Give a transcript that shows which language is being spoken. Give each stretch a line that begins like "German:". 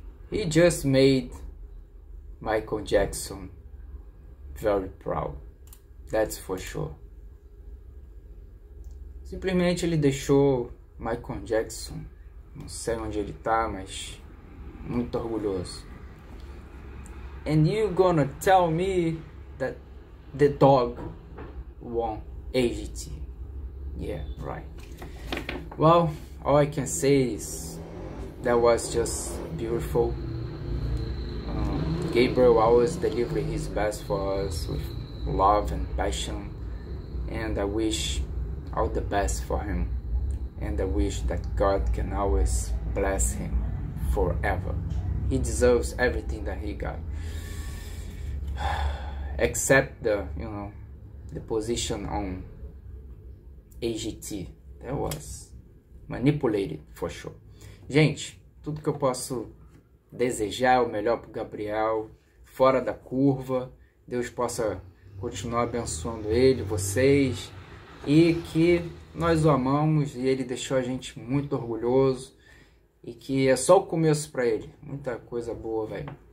English: He just made Michael Jackson very proud, that's for sure.
Portuguese: Simplesmente ele deixou Michael Jackson, não sei onde ele tá, mas muito orgulhoso.
English: And you gonna tell me that the dog won AGT. Yeah, right. Well, all I can say is that was just beautiful. Gabriel always delivered his best for us with love and passion, and I wish all the best for him, and I wish that God can always bless him forever. He deserves everything that he got, except the, you know, the position on AGT. That was manipulated for sure.
Portuguese: Gente, tudo que eu posso desejar o melhor pro Gabriel, fora da curva, Deus possa continuar abençoando ele, vocês, e que nós o amamos e ele deixou a gente muito orgulhoso, e que é só o começo para ele, muita coisa boa, velho.